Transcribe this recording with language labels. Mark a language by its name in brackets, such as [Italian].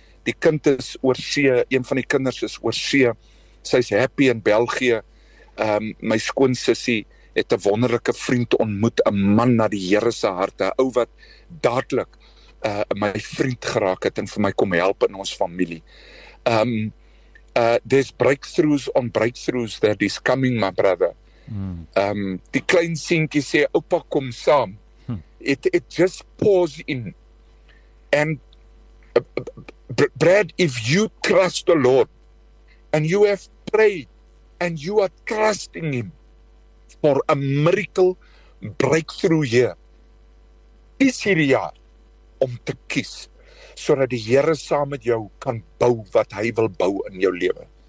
[Afrikaans] Die kind is oor see, een van die kinders is oor see. Sy's happy in België. My skoonsussie het 'n wonderlike vriend ontmoet, 'n man na die Here se hart, 'n ou wat dadelik my vriend geraak het en vir my kom help in ons familie. [English] There's breakthroughs on breakthroughs that is coming, my brother. [Afrikaans] Die klein seentjie sê, oupa, kom saam. [English] It just pours in. And Brad, if you trust the Lord and you have prayed, and you are trusting him for a miracle breakthrough here. [Afrikaans] Is hierdie jaar om te kies sodat die Here saam met jou kan bou wat hy wil bou in jou lewe.